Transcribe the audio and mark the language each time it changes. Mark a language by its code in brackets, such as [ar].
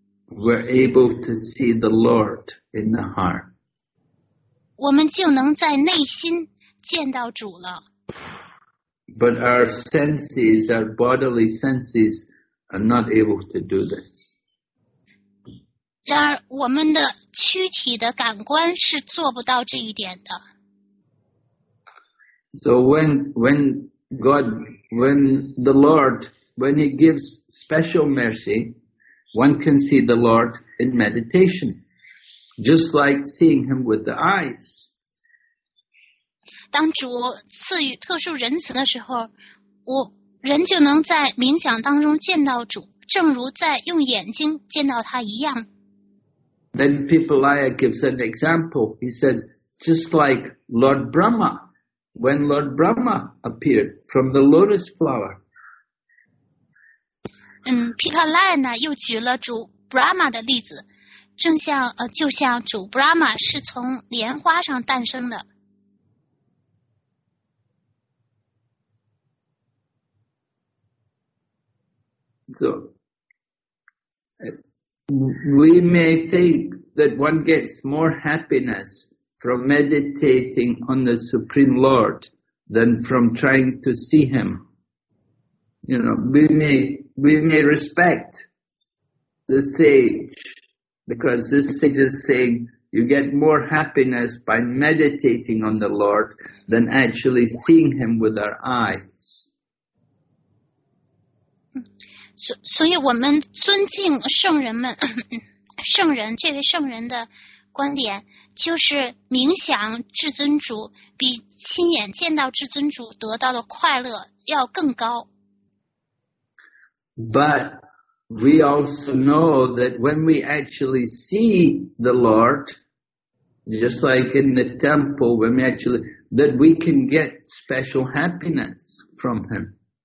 [en] We're able to see the Lord in the heart. [zh] 我们就能在内心见到主了。 [en] But our senses, our bodily senses, are not able to do this. [zh] 然而我们的躯体的感官是做不到这一点的。 [en] So when the Lord gives special mercy, one can see the Lord in meditation, just like seeing him with the eyes. [zh] 当主赐予特殊仁慈的时候，我人就能在冥想当中见到主，正如在用眼睛见到他一样。 [en] Then Pipalaya gives an example. He says, just like Lord Brahma, when Lord Brahma appeared from the lotus flower. [zh] Pipalaya 又举了主 Brahma 的例子，就像主 Brahma 是从莲花上诞生的。 [en] So, we may think that one gets more happiness from meditating on the Supreme Lord than from trying to see Him. You know, we may respect the sage, because this sage is saying you get more happiness by meditating on the Lord than actually seeing Him with our eyes. [zh] 所以我们尊敬圣人们，圣人这位圣人的观点，就是冥想至尊主比亲眼见到至尊主得到的快乐要更高。 [en] But we also know that when we actually see the Lord, just like in the temple, when we actually, that we can get special happiness from Him.